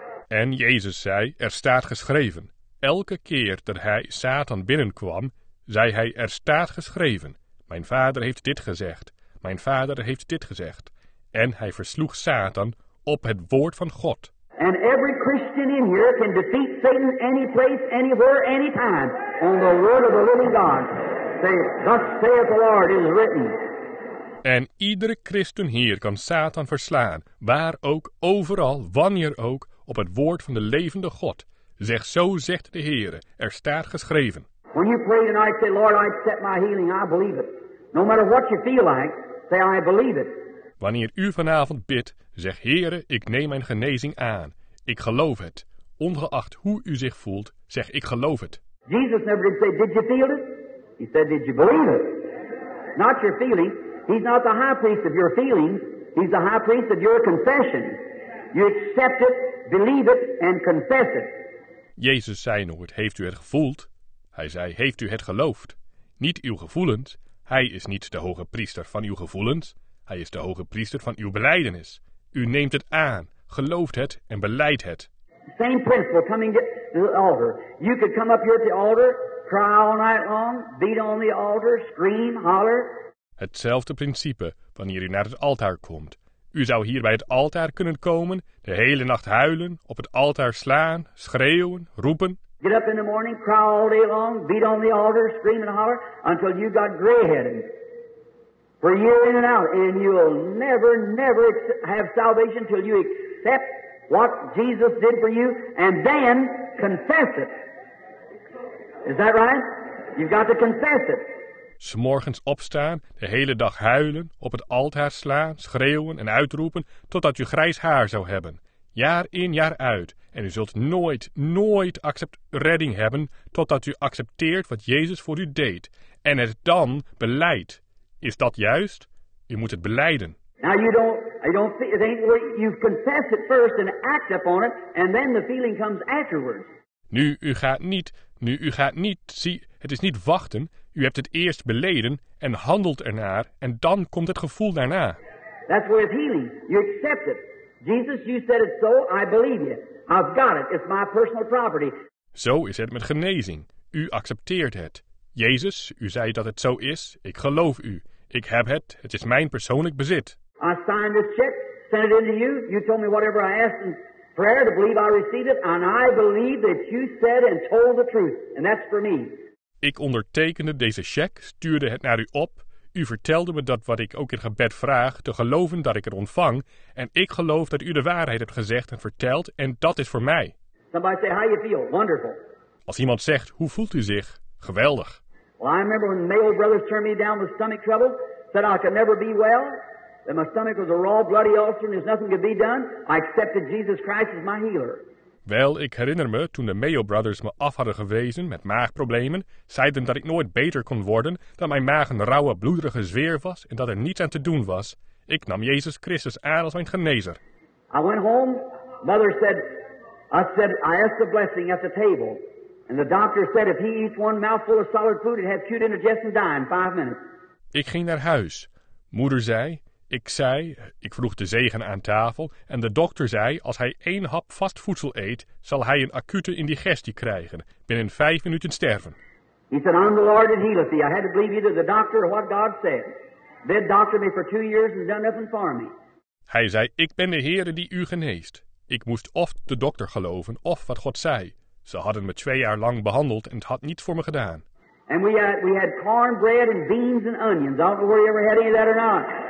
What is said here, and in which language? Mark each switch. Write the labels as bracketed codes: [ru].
[nl] En Jezus zei, er staat geschreven. Elke keer dat hij Satan binnenkwam, zei hij, er staat geschreven. Mijn vader heeft dit gezegd. Mijn vader heeft dit gezegd. En hij versloeg Satan op het woord van God. [en] And every Christian in here can defeat Satan any place, anywhere, anytime on the word of the living God. Say, thus saith the Lord, it is written. [nl] En iedere Christen hier kan Satan verslaan, waar ook, overal, wanneer ook, op het woord van de levende God. Zeg, zo zegt de Heere, er staat geschreven. [en] When you pray tonight, say, Lord, I accept my healing, I believe it. No matter what you feel like, say, I believe it. [nl] Wanneer u vanavond bidt, zeg, Heere, ik neem mijn genezing aan. Ik geloof het. Ongeacht hoe u zich voelt, zeg, ik geloof het. [en] Jesus never did say, did you feel it? He said, did you believe it? Not your feeling. He's not the high priest of your feelings. He's the high priest of your confession. You accept it, believe it, and confess it. [nl] Jezus zei nooit, heeft u het gevoeld? Hij zei, heeft u het geloofd? Niet uw gevoelens. Hij is niet de hoge priester van uw gevoelens. Hij is de hoge priester van uw belijdenis. U neemt het aan, gelooft het en belijdt het. [en] Same principle coming to the altar. You could come up here at the altar, cry all night long, beat on the altar, scream, holler. [nl] Hetzelfde principe wanneer u naar het altaar komt. U zou hier bij het altaar kunnen komen, de hele nacht huilen, op het altaar slaan, schreeuwen, roepen. [en] Get up in the morning, cry all day long, beat on the altar, scream and holler, until you got gray-headed. For year in and out, and you'll never, never have salvation till you accept what Jesus did for you, and then confess it. Is that right? You've got to confess it. [nl] 'S Morgens opstaan, de hele dag huilen, op het altaar slaan, schreeuwen en uitroepen totdat u grijs haar zou hebben. Jaar in, jaar uit. En u zult nooit, nooit redding hebben totdat u accepteert wat Jezus voor u deed. En het dan beleidt. Is dat juist? U moet het beleiden. [en] Now you confess it first and act upon it, and then the feeling comes afterwards. [nl] Het is niet wachten. U hebt het eerst beleden en handelt ernaar, en dan komt het gevoel daarna. [en] That's where it's healing. You accept it. Jesus, you said it so, I believe you. I've got it. It's my personal property. [nl] Zo is het met genezing. U accepteert het. Jezus, u zei dat het zo is. Ik geloof u. Ik heb het. Het is mijn persoonlijk bezit. [en] I signed this check, sent it into you. You told me whatever I asked in prayer to believe I received it. And I believe that you said and told the truth. And that's for me. [nl] Ik ondertekende deze check, stuurde het naar u op. U vertelde me dat wat ik ook in gebed vraag, te geloven dat ik het ontvang. En ik geloof dat u de waarheid hebt gezegd en verteld, en dat is voor mij. [en] Somebody say, how you feel? Wonderful. [nl] Als iemand zegt, hoe voelt u zich? Geweldig. [en] Well, I remember when male brothers turned me down with stomach trouble, said I could never be well, that my stomach was a raw bloody ulcer and there's nothing could be done. I accepted Jesus Christ as my healer. [nl] Wel, ik herinner me toen de Mayo Brothers me af hadden gewezen met maagproblemen, zeiden dat ik nooit beter kon worden, dat mijn maag een rauwe, bloederige zweer was en dat er niets aan te doen was. Ik nam Jezus Christus aan als mijn genezer. [en] I went home. Mother said, I asked the blessing at the table. And the doctor said, if he eats one mouthful of solid food, he'd have acute indigestion and die in 5 minutes. [nl] Ik ging naar huis. Moeder zei, ik vroeg de zegen aan tafel, en de dokter zei, als hij 1 hap vast voedsel eet, zal hij een acute indigestie krijgen, binnen 5 minuten sterven. [en] He said, I'm the Lord that healeth thee. I had to believe either the doctor or what God said. They doctored me for 2 years and done nothing for me. [nl] Hij zei, ik ben de Heere die u geneest. Ik moest of de dokter geloven, of wat God zei. Ze hadden me 2 jaar lang behandeld en het had niets voor me gedaan. [en] And we had cornbread and beans and onions. I don't know where you ever had any of that or not.